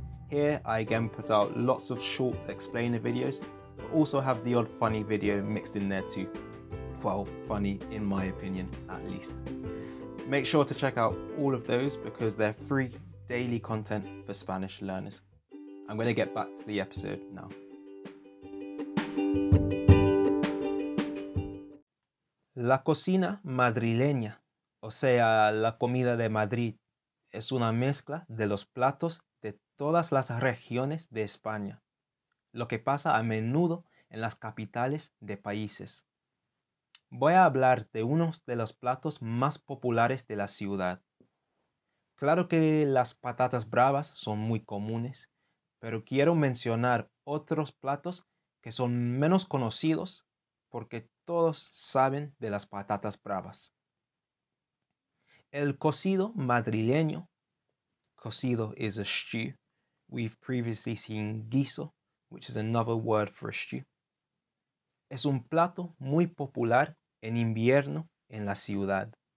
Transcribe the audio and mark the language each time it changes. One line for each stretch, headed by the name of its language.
English: Here I again put out lots of short explainer videos, but also have the odd funny video mixed in there too. Well, funny in my opinion, at least. Make sure to check out all of those because they're free daily content for Spanish learners. I'm going to get back to the episode now.
Spanish: La cocina madrileña, o sea, la comida de Madrid, es una mezcla de los platos de todas las regiones de España, lo que pasa a menudo en las capitales de países. Voy a hablar de uno de los platos más populares de la ciudad. Claro que las patatas bravas son muy comunes, pero quiero mencionar otros platos que son menos conocidos porque todos saben de las patatas bravas. El cocido madrileño.
English: Cocido is a stew. We've previously seen guiso, which is another word for a stew.
Spanish: Es un plato muy popular en invierno en la ciudad.